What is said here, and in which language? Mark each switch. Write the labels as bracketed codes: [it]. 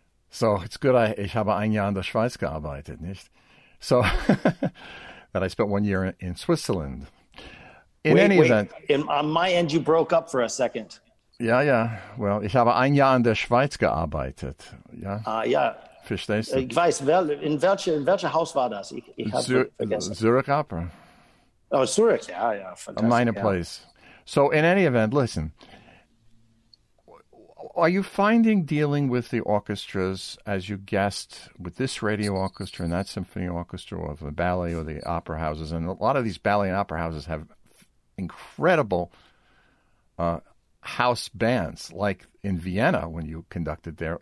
[en] So it's good [de] ich habe ein Jahr in der Schweiz gearbeitet, nicht? [en] So that I spent 1 year in Switzerland. On my end, you broke up for a second. Yeah, yeah. Well, [de] ich habe ein Jahr in der Schweiz gearbeitet. Ja. Verstehst du? Ich weiß, in welcher Haus war das? [en] Zurich Opera. Oh, Zurich. Yeah, yeah. Fantastic. A minor place. So in any event, listen, are you finding dealing with the orchestras as you guest with this radio orchestra and that symphony orchestra or the ballet or the opera houses? And a lot of these ballet and opera houses have incredible house bands, like in Vienna when you conducted there.